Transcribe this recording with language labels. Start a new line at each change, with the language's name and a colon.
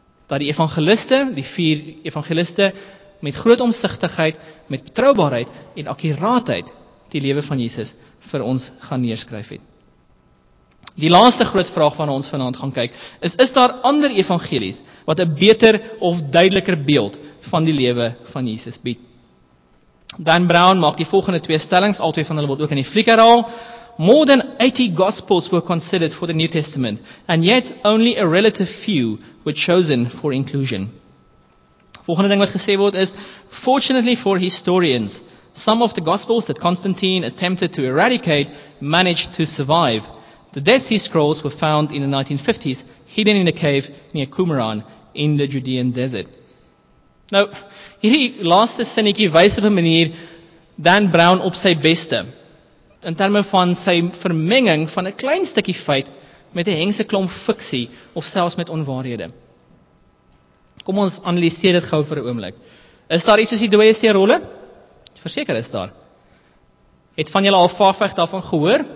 Afrikaans: Dat die evangeliste, die vier evangeliste, met groot omsigtigheid, met betroubaarheid en akkuraatheid, die lewe van Jesus vir ons gaan neerskryf het. Die laaste groot vraag waarna ons vanaand gaan kyk, is daar ander evangelies wat 'n beter of duideliker beeld van die lewe van Jesus bied? Dan Brown maak die volgende twee stellings, al twee van hulle word ook in die fliek herhaal.
English: More than 80 gospels were considered for the New Testament, and yet only a relative few were chosen for inclusion.
Afrikaans: Volgende ding wat gesê word is,
English: fortunately for historians, some of the gospels that Constantine attempted to eradicate managed to survive. The Dead Sea Scrolls were found in the 1950s, hidden in a cave near Qumran in the Judean desert.
Afrikaans: Nou, hierdie laaste sinnetjie wys op 'n manier Dan Brown op sy beste, in terme van sy vermenging van 'n klein stukkie feit met 'n hengse klomp fiksie, of selfs met onwaarhede. Kom ons analiseer dit gou vir 'n oomblik. Is daar iets soos die dooie see rolle? Verseker is daar. Het van julle al vaagweg daarvan gehoor?